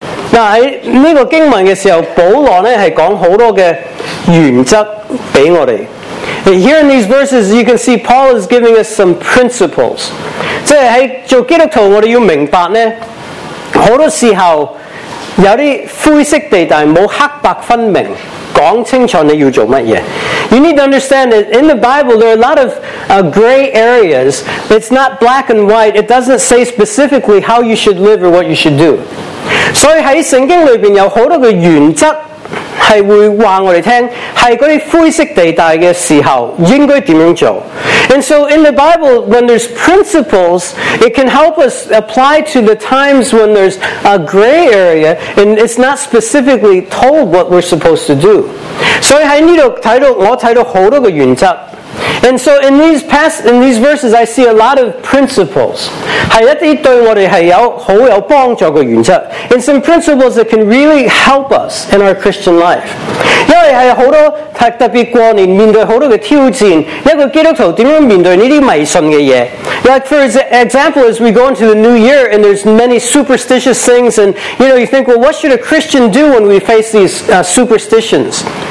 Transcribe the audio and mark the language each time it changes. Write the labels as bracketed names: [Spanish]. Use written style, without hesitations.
[Chinese] 但在这个经文的时候，保罗呢是讲很多的原则给我们。 [English] Here in these verses, you can see Paul is giving us some principles. [Chinese] 即是在做基督徒，我们要明白呢，很多时候有些灰色地带，没有黑白分明，讲清楚你要做什么。 [English] You need to understand that in the Bible, there are a lot of gray areas. It's not black and white. It doesn't say specifically how you should live or what you should do. [Chinese] 所以在圣经里面有很多的原则是会告诉我们，是那些灰色地带的时候应该怎样做。 [English] And so in the Bible, when there's principles, it can help us apply to the times when there's a gray area and it's not specifically told what we're supposed to do. [Chinese] 所以在这里我看到很多的原则。 [English] And so in these verses, I see a lot of principles. [Chinese] 是一些对我们是有很有帮助的原则。 [English] And some principles that can really help us in our Christian life. [Chinese] 因为是很多，特别过年面对很多的挑战，一个基督徒怎样面对这些迷信的东西。 [English] Like for example, as we go into the new year and there's many superstitious things and you know, you think, well, what should a Christian do when we face these superstitions?